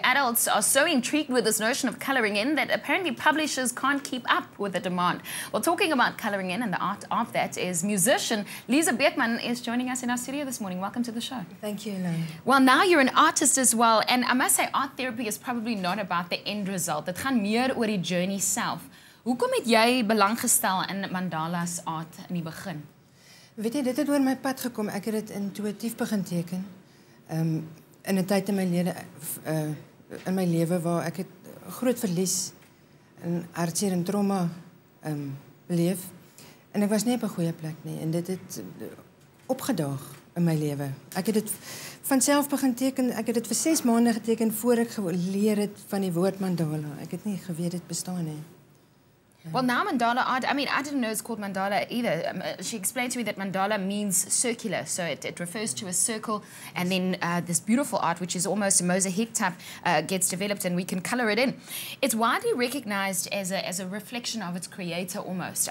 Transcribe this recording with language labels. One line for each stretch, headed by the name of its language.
English: Adults are so intrigued with this notion of colouring in that apparently publishers can't keep up with the demand. Well, talking about colouring in and the art of that is musician Lize Beekman is joining us in our studio this morning. Welcome to the show. Thank you, Elaine. Well, now you're an artist as well, and I must say art therapy is probably not about the end result.
Afrikaans: It gaan meer oor die journey self. Hoekom het jy belang gestel in mandala's art in die begin? Weet jy, dit het oor my pad gekom. Ek het dit intuïtief begin teken. In 'n tyd in my lewe waar ek het groot verlies en hartseer en trauma beleef. En ek was nie op 'n goeie plek nie. En dit het opgedaag in my lewe. Ek het dit vanself begin teken. Ek het dit vir 6 maande geteken voor ek geleer het van die woord mandala. Ek het nie geweet dit bestaan nie.
English: Well, now mandala art, I mean, I didn't know it's called mandala either. She explained to me that mandala means circular, so it refers to a circle, and then this beautiful art, which is almost a mosaic type, gets developed and we can colour it in. It's widely recognised as a reflection of its creator almost.